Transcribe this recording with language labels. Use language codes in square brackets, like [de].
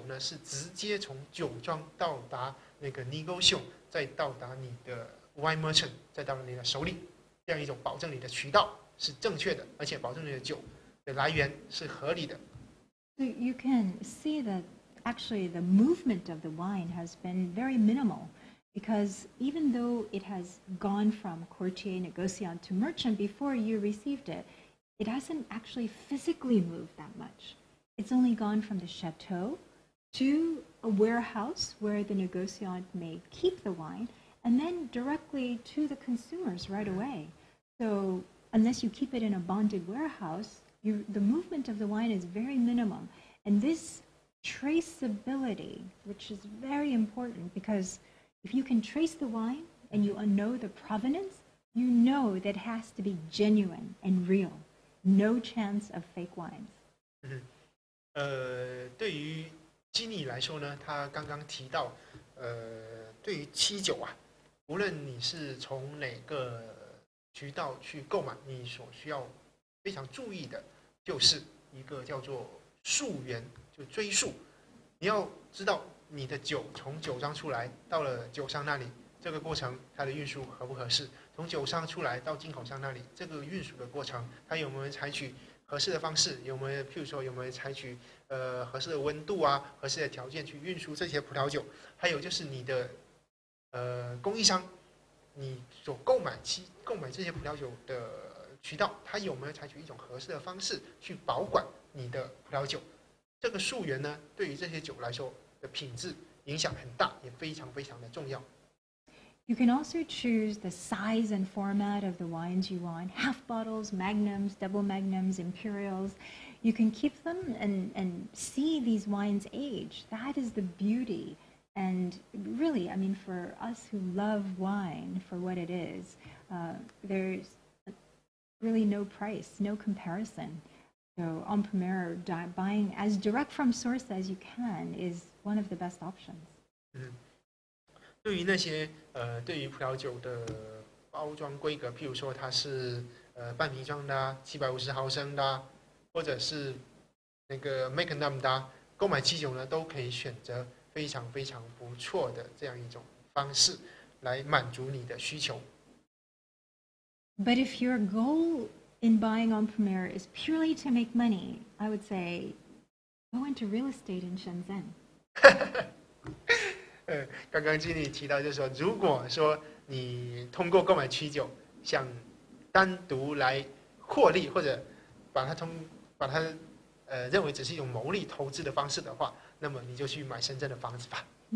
[zh] 经理呢也遇到很多人问他这样的一个问题，这个问题呢主要取决于你自己对于葡萄酒有没有一种追随它各个年份的这样一种热情，而且呢通你要知道通过这样一种期酒购买的方式啊，你可以知道你的酒呢是直接从酒庄到达那个 negotiation， 再到达你的 wine merchant， 再到达你的手里，这样一种保证你的渠道是正确的，而且保证你的酒 [en] So you can see that actually the movement of the wine has been very minimal because even though it has gone from courtier, négociant to merchant before you received it, it hasn't actually physically moved that much. It's only gone from the chateau to a warehouse where the négociant may keep the wine and then directly to the consumers right away. So unless you keep it in a bonded warehouse, the movement of the wine is very minimum, and this traceability, which is very important, because if you can trace the wine and you know the provenance, you know that it has to be genuine and real. No chance of fake wines. [zh] 对于Jeannie来说呢，他刚刚提到，对于期酒啊，无论你是从哪个渠道去购买，你所需要非常注意的。就是一个叫做溯源，就追溯。你要知道你的酒从酒商出来到了酒商那里，这个过程它的运输合不合适；从酒商出来到进口商那里，这个运输的过程它有没有采取合适的方式，有没有，譬如说有没有采取合适的温度啊，合适的条件去运输这些葡萄酒，还有就是你的供应商，你所购买这些葡萄酒的渠道，他有没有采取一种合适的方式去保管你的葡萄酒。这个溯源呢，对于这些酒来说的品质影响很大，也非常非常的重要。 [en] You can also choose the size and format of the wines you want. Half bottles, magnums, double magnums, imperials. You can keep them and see these wines age. That is the beauty. And really, I mean, for us who love wine for what it is, there's really no price, no comparison. So en premier, buying as direct from source as you can is one of the best options. Mm-hmm. [zh] 对于那些对于葡萄酒的包装规格，譬如说它是半瓶装的、750毫升的，或者是那个 Magnum 的，购买基酒呢，都可以选择非常非常不错的这样一种方式来满足你的需求。 [en] But if your goal in buying on premier is purely to make money, I would say go into real estate in Shenzhen. [zh] 刚刚经理提到，就是说，如果说你通过购买曲酒想单独来获利，或者把它认为只是一种牟利投资的方式的话，那么你就去买深圳的房子吧。